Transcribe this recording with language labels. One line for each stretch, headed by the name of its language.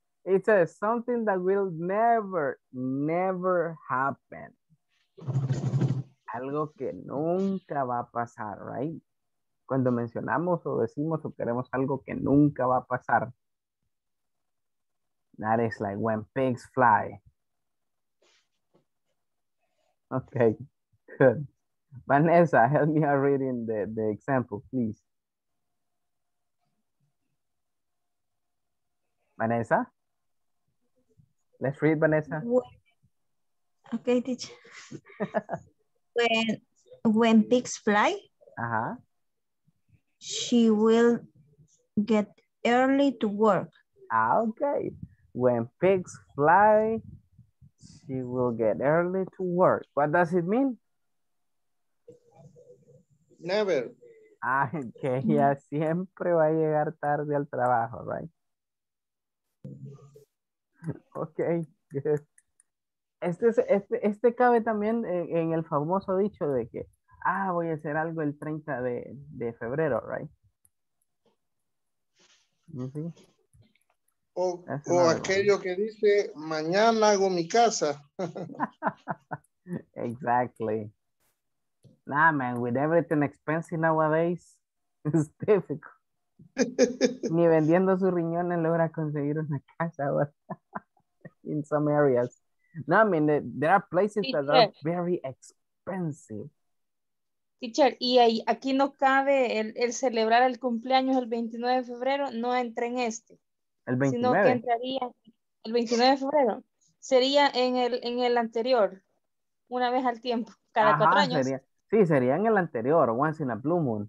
English: It says something that will never, never happen.
Spanish: Algo que nunca va a pasar,
English: right?
Spanish: Cuando mencionamos o decimos o queremos algo que nunca va a pasar.
English: That is like when pigs fly. Okay, good. Vanessa, help me out reading the example, please. Vanessa? Let's read, Vanessa. Okay, teacher. when pigs fly, uh-huh. She will get early to work. Okay. When pigs fly, she will get early to work. What does it mean? Never.
Spanish: Ah, que ella siempre va a llegar tarde al trabajo,
English: right? Okay, good.
Spanish: Este cabe también en el famoso dicho de que, ah, voy a hacer algo el 30 de febrero, right? Sí. O aquello que dice, mañana hago mi casa.
English: Exactly. Nah, man, with everything expensive nowadays, it's difficult.
Spanish: Ni vendiendo sus riñones logra conseguir una casa ahora.
English: In some areas. No, I mean, there are places teacher, that are very expensive.
Spanish: Teacher, y ahí, aquí no cabe el celebrar el cumpleaños el 29 de febrero, no entra en este. El 29. Sino que entraría el 29 de febrero. Sería en el anterior, una vez al tiempo, cada ajá, cuatro años. Sería, sí, sería en el anterior,
English: once in a blue moon.